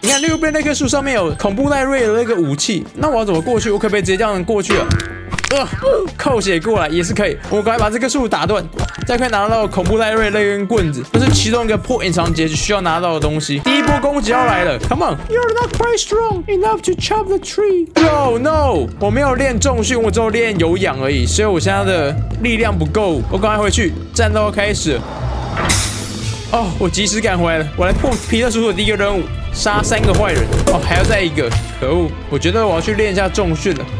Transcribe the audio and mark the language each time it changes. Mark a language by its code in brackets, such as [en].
[zh] 你看右边那棵树上面有恐怖奈瑞的那个武器，那我要怎么过去？我可不可以直接这样过去啊？扣血过来也是可以，我赶快把这个树打断，再可以拿到恐怖奈瑞那根棍子，这是其中一个破隐藏结局需要拿到的东西。第一波攻击要来了 ， [en] Come on！ You're not quite strong enough to chop the tree. No, no， [zh] 我没有练重训，我只有练有氧而已，所以我现在的力量不够。我赶快回去，战斗开始。哦，我及时赶回来了，我来破皮特叔叔的第一个任务，杀三个坏人。哦，还要再一个，可恶！我觉得我要去练一下重训了。